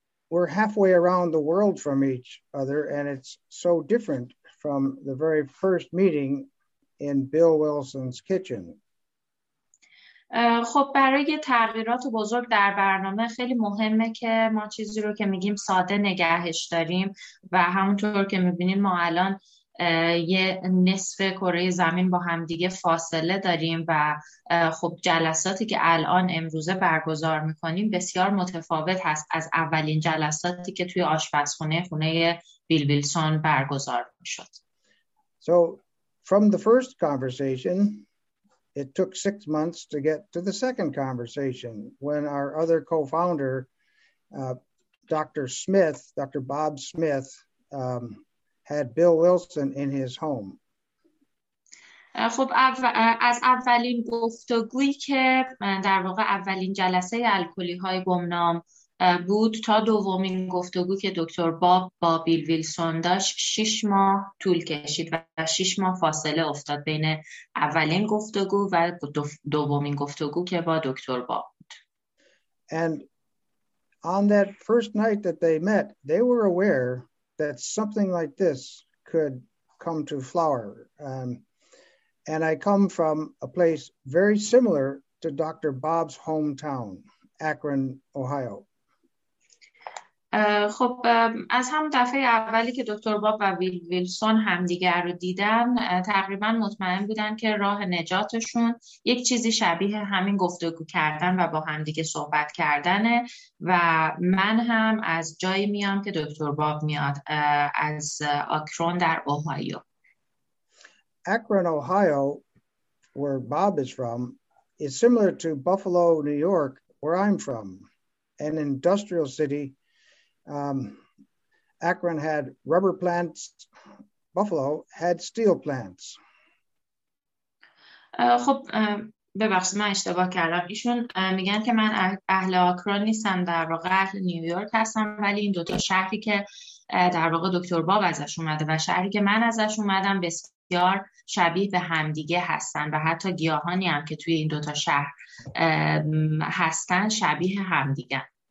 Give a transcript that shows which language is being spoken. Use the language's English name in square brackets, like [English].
[English] We're halfway around the world from each other, and it's so different from the very first meeting in Bill Wilson's kitchen. [Persian] خب برای تغییرات بزرگ در برنامه خیلی مهمه که ما چیزی رو که میگیم ساده نگهش داریم و همونطور که میبینیم ما الان یه نصف کره زمین با همدیگه فاصله داریم و خب جلساتی که الان امروزه برگزار میکنیم بسیار متفاوت هست از اولین جلساتی که توی آشپزخونه خونه بیل ویلسون برگزار میشد. [English] So from the first conversation, it took 6 months to get to the second conversation when our other co-founder, Dr. Bob Smith, had Bill Wilson in his home. [Persian] خب از اولین گفتگویی که در واقع اولین جلسه الکلی های گمنام بود تا دومین گفتگویی که دکتر باب با بیل ویلسون داشت 6 ماه طول کشید و 6 ماه فاصله افتاد بین اولین گفتگو و دومین گفتگو که با دکتر باب بود. [English] And on that first night that they met, they were aware that something like this could come to flower. And I come from a place very similar to Dr. Bob's hometown, Akron, Ohio. [Persian] خب از همون دفعه اولی که دکتر باب و ویل ویلسون همدیگر رو دیدن تقریبا مطمئن بودن که راه نجاتشون یک چیزی شبیه همین گفتگو کردن و با همدیگه صحبت کردنه و من هم از جایی میام که دکتر باب میاد، از آکرون در اوهایو. [English] Akron, Ohio, where Bob is from, is similar to Buffalo, New York, where I'm from, an industrial city. Akron had rubber plants. Buffalo had steel plants. [Persian] خب ببخشید من اشتباه کردم. ایشون میگن که من اهل آکرون نیستم، در واقع اهل نیویورک هستم، ولی این دوتا شهری که در واقع دکتر باب ازش اومده و شهری که من ازش اومدم بسیار شبیه به همدیگه هستن و حتی گیاهانی هم که توی این دوتا شهر هستن شبیه همدیگه.